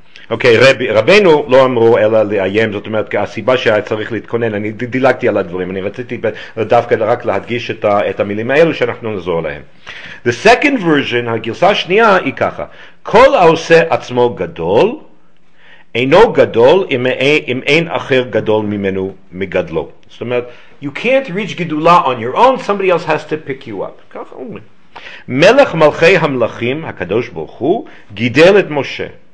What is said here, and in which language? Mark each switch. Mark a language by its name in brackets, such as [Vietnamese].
[Hebrew] אוקיי, רבנו לא אמרו אלא לאיים, זאת אומרת, הסיבה שהיה צריך להתכונן, אני דילגתי על הדברים, אני רציתי דווקא רק להדגיש את המילים האלו שאנחנו נזור להם. [English] The second version, [Hebrew] הגרסה השנייה היא ככה, כל העושה עצמו גדול, אינו גדול אם אין אחר גדול ממנו מגדלו. זאת אומרת, [English] you can't reach גדולה on your own, somebody else has to pick you up. [Hebrew] ככה אומרים. מלך מלכי המלכים, הקדוש ברוך הוא, גידל את משה.